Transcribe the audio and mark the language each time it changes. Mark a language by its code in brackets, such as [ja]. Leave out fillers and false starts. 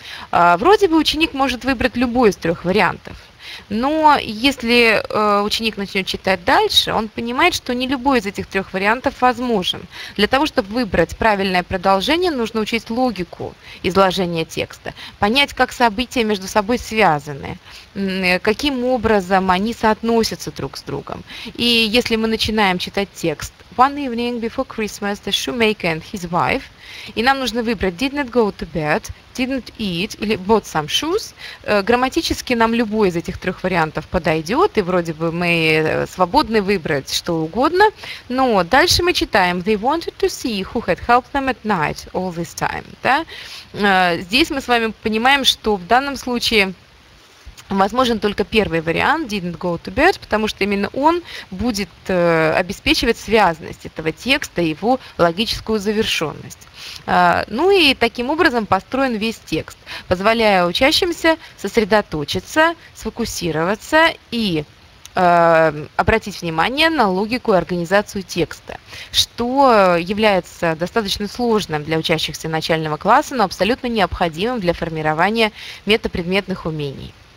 [ru] Вроде бы ученик может выбрать любой из трех вариантов, но если ученик начнет читать дальше, он понимает, что не любой из этих трех вариантов возможен. Для того, чтобы выбрать правильное продолжение, нужно учесть логику изложения текста, понять, как события между собой связаны, каким образом они соотносятся друг с другом. И если мы начинаем читать текст [en] «One evening before Christmas, the shoemaker and his wife», [ru] и нам нужно выбрать [en] «did not go to bed», «didn't eat» [ru] или [en] «bought some shoes», [ru] грамматически нам любой из этих трех вариантов подойдет, и вроде бы мы свободны выбрать что угодно, но дальше мы читаем [en] «they wanted to see who had helped them at night all this time». [ru] Да? Здесь мы с вами понимаем, что в данном случае возможен только первый вариант [en] «didn't go to bed», [ru] потому что именно он будет обеспечивать связность этого текста, его логическую завершенность. Ну и таким образом построен весь текст, позволяя учащимся сосредоточиться, сфокусироваться и обратить внимание на логику и организацию текста, что является достаточно сложным для учащихся начального класса, но абсолютно необходимым для формирования метапредметных умений.